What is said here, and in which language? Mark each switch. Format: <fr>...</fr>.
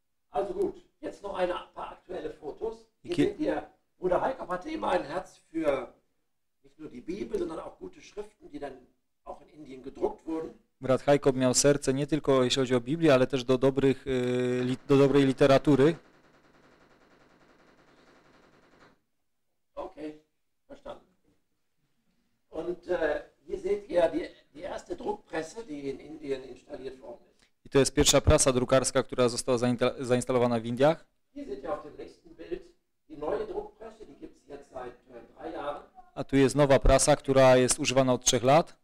<de>Also gut, jetzt noch ein paar aktuelle Fotos. Bruder Heikop hatte immer ein Herz für nicht nur die Bibel, sondern auch gute Schriften, die dann auch in Indien gedruckt wurden.</de> <pl>Brat Heikop miał serce nie tylko jeśli chodzi o Biblię, ale też do dobrej literatury.</pl> <de>Okay, verstanden. Und hier seht ihr die erste Druckpresse, die in Indien installiert worden ist.</de> <pl>I to jest pierwsza prasa drukarska, która została zainstalowana w Indiach.</pl> <de>Hier seht ihr auf dem nächsten Bild die neue Druckpresse, die gibt es jetzt seit 3 Jahren.</de> <pl>A tu jest nowa prasa, która jest używana od 3 lat.</pl>